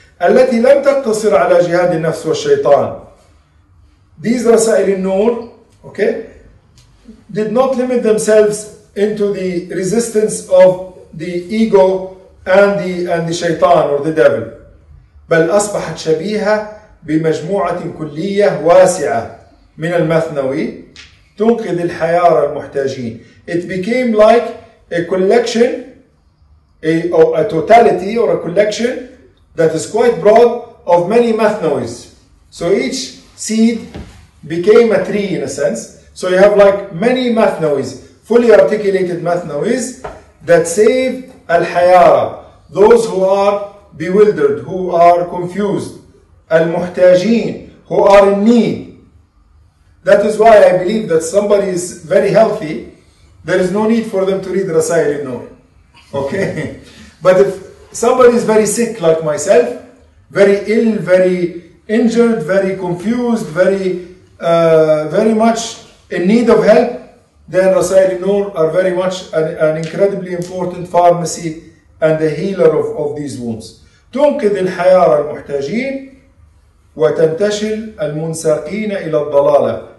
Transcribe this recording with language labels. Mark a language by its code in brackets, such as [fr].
[ar] التي لم تقتصر على جهاد النفس والشيطان. [en] These رسائل النور, okay, did not limit themselves into the resistance of the ego and the shaitan or the devil. [ar] بل أصبحت شبيهة بمجموعة كلية واسعة من المثنوي تنقذ الحيارة المحتاجين. [en] It became like a collection, a totality or a collection that is quite broad of many mathnawis. So each seed became a tree in a sense. So you have like many mathnawis, fully articulated mathnawis that save al-hayara, those who are bewildered, who are confused, al-muhtajin, who are in need. That is why I believe that somebody is very healthy, there is no need for them to read Rasail al-Nur. Okay? But if somebody is very sick like myself, very ill, very injured, very confused, very very much in need of help, then Rasail Noor are very much an incredibly important pharmacy and the healer of these wounds. [ar] تنقذ الحيار المحتاجين وتنتشل المنساقين إلى الضلالة.